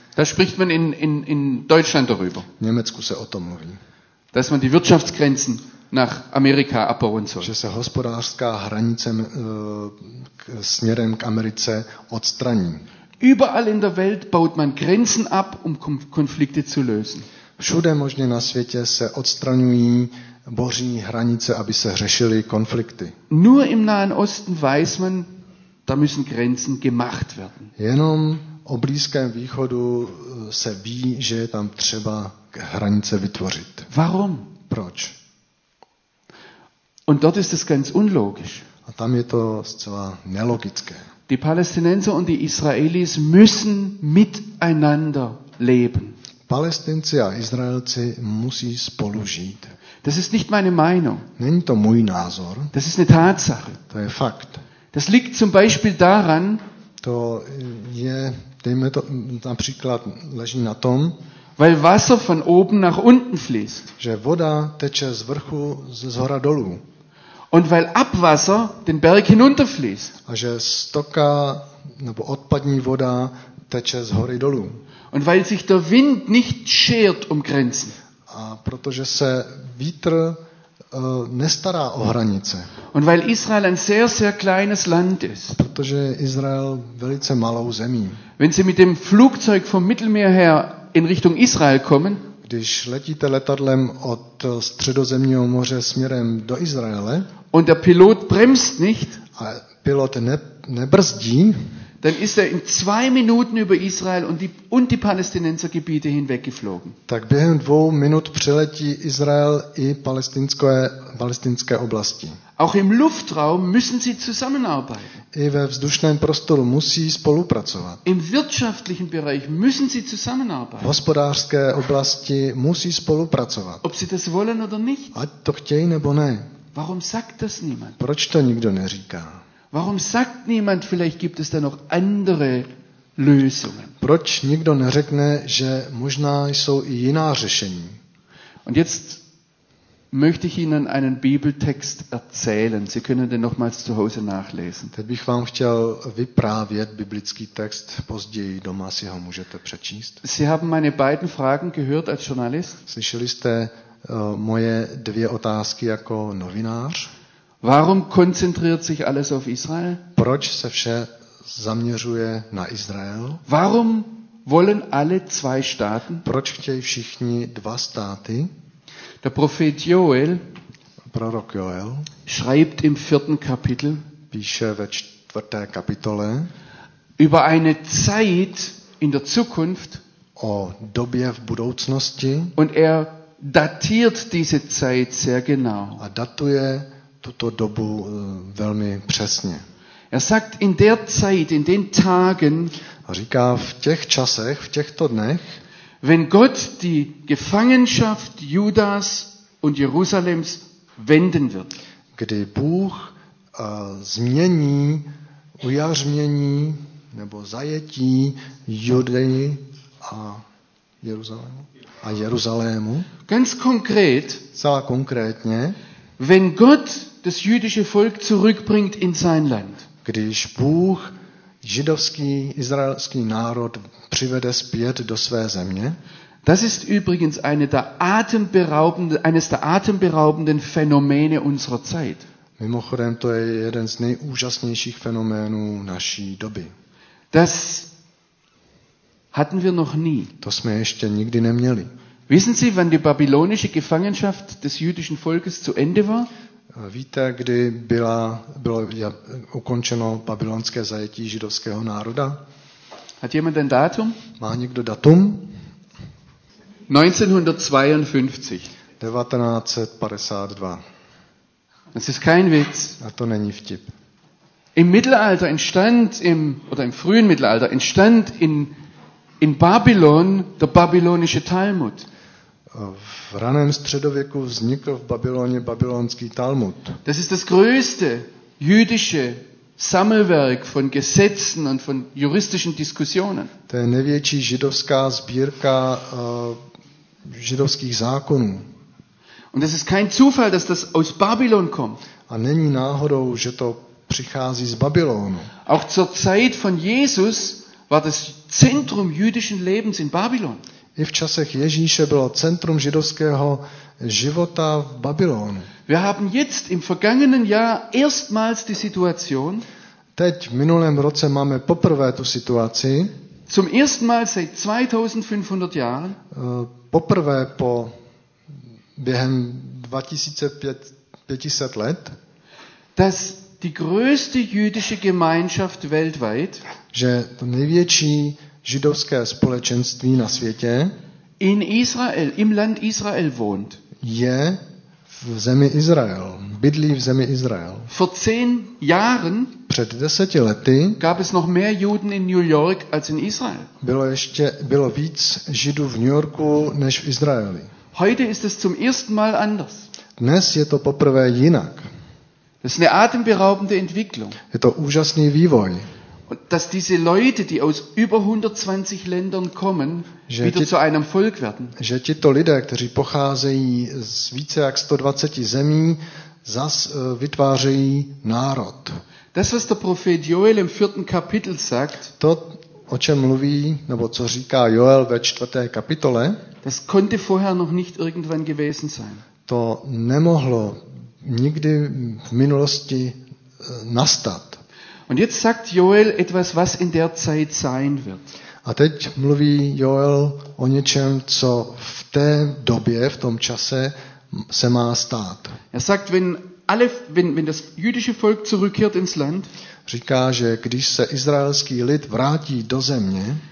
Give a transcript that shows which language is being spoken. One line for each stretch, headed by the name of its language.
German: Da spricht man in Deutschland darüber.
Czech: V Německu se o tom mluví.
German: Dass man die Wirtschaftsgrenzen nach Amerika abbauen soll.
Czech: Že se hospodářská hranice směrem k Americe odstraní.
German: Überall in der Welt baut man Grenzen ab, um Konflikte zu lösen.
Czech: Všude možně na světě se odstraňují boží hranice, aby se řešily konflikty.
German: Nur im Nahen Osten weiß man, da müssen Grenzen gemacht werden.
Czech: Jenom o Blízkém východu se ví, že je tam třeba hranice vytvořit.
German: Warum?
Czech: Proč?
German: Und dort ist es ganz unlogisch.
Czech: A tam je to zcela nelogické.
German: Die Palästinenser und die Israelis müssen miteinander leben. Palästinenser und Israelis müssen
Czech: spolu žít.
German: Das ist nicht meine Meinung.
Czech: Není to můj názor.
German: Das ist eine Tatsache.
Czech: To je fakt.
German: Das liegt zum Beispiel daran.
Czech: To je, dejme to například, leží na tom.
German: Weil Wasser von oben nach unten fließt.
Czech: Že voda teče z vrchu z hora dolů.
German: Und weil Abwasser den Berg hinunterfließt.
Czech: A že stoka nebo odpadní voda teče z hory dolů.
German: Und weil sich der Wind nicht schert um Grenzen.
Czech: A protože se vítr nestará o hranice.
German: Und weil Israel ein sehr sehr kleines Land ist.
Czech: A protože Izrael velice malou zemí.
German: Wenn sie mit dem Flugzeug vom Mittelmeer her in Richtung Israel kommen.
Czech: Když letíte letadlem od Středozemního moře směrem do Izraele.
German: Und der Pilot bremst nicht.
Czech: A pilot nebrzdí.
German: Dann ist er in zwei Minuten über Israel und die Palästinensergebiete hinweggeflogen.
Czech: Tak během dvou minut přiletí Izrael i palestinské oblasti.
German: Auch im Luftraum müssen sie zusammenarbeiten.
Czech: I ve vzdušném prostoru musí spolupracovat.
German: Im wirtschaftlichen Bereich müssen sie zusammenarbeiten.
Czech: V hospodářské oblasti musí spolupracovat.
German: Ob sie das wollen oder nicht.
Czech: Ať to chtějí nebo ne.
German: Warum sagt das niemand?
Czech: Proč to nikdo neříká?
German: Warum sagt niemand, vielleicht gibt es da noch andere Lösungen?
Czech: Proč nikdo neřekne, že možná jsou i jiná řešení?
German: Und jetzt möchte ich Ihnen einen Bibeltext erzählen. Sie können den nochmals zu Hause nachlesen.
Czech: Teď bych vám chtěl vyprávět biblický text, později doma si ho můžete přečíst.
German: Sie haben meine beiden Fragen gehört als Journalist?
Czech: Slyšeli jste moje dvě otázky jako novinář?
German: Warum konzentriert sich alles auf Israel?
Czech: Proč se vše zaměřuje na Izrael?
German: Warum wollen alle zwei Staaten?
Czech: Proč chtějí všichni dva státy?
German: Der Prophet Joel,
Czech: prorok Joel,
German: schreibt im vierten Kapitel,
Czech: píše ve čtvrté kapitole,
German: über eine Zeit in der Zukunft,
Czech: o době v budoucnosti,
German: und er datiert diese Zeit sehr genau.
Czech: A datuje tuto dobu velmi přesně.
German: Er sagt, in der Zeit, in den Tagen,
Czech: A říká, v těch časech, v těchto dnech,
German: wenn Gott die Gefangenschaft Judas und Jerusalems wenden wird.
Czech: Kdy Bůh změní, ujařmění nebo zajetí Judeji a Jeruzalému. A Jeruzalému.
German: Ganz konkret,
Czech: zcela konkrétně,
German: wenn Gott das jüdische Volk zurückbringt in sein Land.
Czech: Když Bůh židovský izraelský národ přivede zpět do své země.
German: Das ist übrigens eines der atemberaubenden Phänomene unserer Zeit.
Czech: Mimochodem, to je jeden z nejúžasnějších fenoménů naší doby.
German: Das hatten wir noch nie.
Czech: To jsme ještě nikdy neměli.
German: Wissen Sie, wann die babylonische Gefangenschaft des jüdischen Volkes zu Ende war?
Czech: Víte, kdy bylo ukončeno babylonské zajetí židovského národa?
German: Hat jemand ein Datum?
Czech: Má někdo datum?
German: 1952. Das ist kein Witz.
Czech: A to není vtip.
German: Im Mittelalter entstand im frühen Mittelalter in Babylon der babylonische Talmud.
Czech: V raném středověku vznikl v Babyloně babylonský Talmud.
German: Das ist das größte jüdische Sammelwerk von Gesetzen und von juristischen Diskussionen.
Czech: To je největší židovská sbírka židovských zákonů.
German: Und es ist kein Zufall, dass das aus Babylon kommt.
Czech: A není náhodou, že to přichází z Babylonu.
German: Auch zur Zeit von Jesus war das Zentrum jüdischen Lebens in Babylon.
Czech: I v časech Ježíše bylo centrum židovského života v Babylonu.
German: Wir haben jetzt im vergangenen Jahr erstmals die Situation.
Czech: Teď v minulém roce máme poprvé tu situaci.
German: Zum ersten Mal seit 2500 Jahren.
Czech: Poprvé po během 2500 let.
German: Dass die größte jüdische Gemeinschaft weltweit.
Czech: Že to největší židovské společenství na světě
German: in Israel, im Land Israel wohnt.
Czech: Je v zemi Izrael, bydlí v zemi Izrael.
German: Vor 10 Jahren
Czech: před 10 lety
German: gab es noch mehr Juden in New York als in Israel.
Czech: Bylo víc Židů v New Yorku než v Izraeli.
German: Heute ist es zum ersten Mal anders.
Czech: Dnes je to poprvé jinak.
German: Das ist eine atemberaubende Entwicklung.
Czech: Je to úžasný vývoj.
German: Dass diese Leute, die aus über 120 Ländern kommen, wieder zu einem Volk werden.
Czech: Že tito lidé, kteří pocházejí z více jak 120 zemí, zas vytvářejí národ.
German: Das, was der Prophet Joel im vierten Kapitel sagt,
Czech: to, o čem mluví, nebo co říká Joel ve čtvrté kapitole,
German: das konnte vorher noch nicht irgendwann gewesen sein.
Czech: To nemohlo nikdy v minulosti nastat.
German: Und jetzt sagt Joel etwas, was in der Zeit sein wird.
Czech: A teď mluví Joel o něčem, co v té době, v tom čase se má stát.
German: Er sagt, wenn das jüdische Volk zurückkehrt ins Land,
Czech: říká, že když se izraelský lid vrátí do země,